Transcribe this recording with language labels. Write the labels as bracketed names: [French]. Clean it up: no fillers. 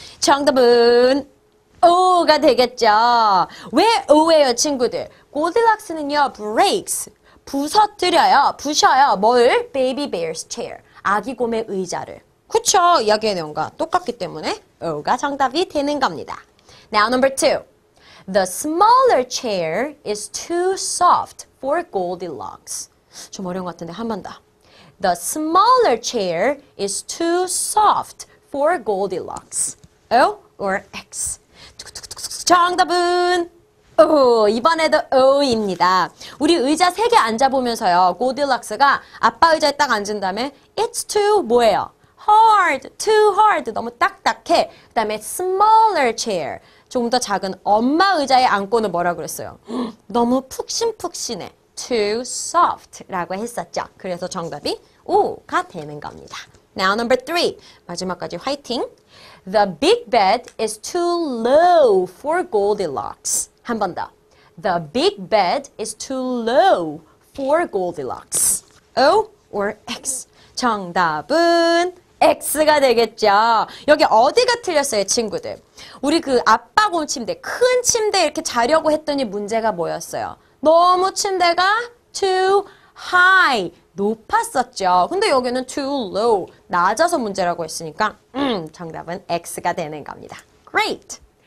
[Korean] 정답은 O가 되겠죠. 왜 O예요, 친구들? 골디락스는요, breaks, 부서뜨려요, 부셔요. 뭘? [English] Baby bear's chair, [Korean] 아기 곰의 의자를. 그쵸, 이야기의 내용과 똑같기 때문에 O가 정답이 되는 겁니다. [English] Now number two. The smaller chair is too soft for Goldilocks. [Korean] 좀 어려운 것 같은데 한 번 더. [English] The smaller chair is too soft for Goldilocks. O or X? [Korean] 정답은 O. 이번에도 O입니다. 우리 의자 세 개 앉아보면서요. 골디락스가 아빠 의자에 딱 앉은 다음에 [English] It's too [Korean] 뭐예요? [English] Hard, too hard. [Korean] 너무 딱딱해. 그 다음에 [English] smaller chair. [Korean] 조금 더 작은 엄마 의자에 앉고는 뭐라 그랬어요? 너무 푹신푹신해. [English] Too soft [Korean] 라고 했었죠. 그래서 정답이 O가 되는 겁니다. [English] Now number three. [Korean] 마지막까지 화이팅. [English] The big bed is too low for Goldilocks. [Korean] 한 번 더. [English] The big bed is too low for Goldilocks. O or X? [Korean] 정답은 X가 되겠죠. 여기 어디가 틀렸어요, 친구들? 우리 그 아빠 곰 침대, 큰 침대 이렇게 자려고 했더니 문제가 뭐였어요? 너무 침대가 [English] too high. [Korean] 높았었죠. 근데 여기는 [English] too low, [Korean] 낮아서 문제라고 했으니까 정답은 X가 되는 겁니다. [English] Great!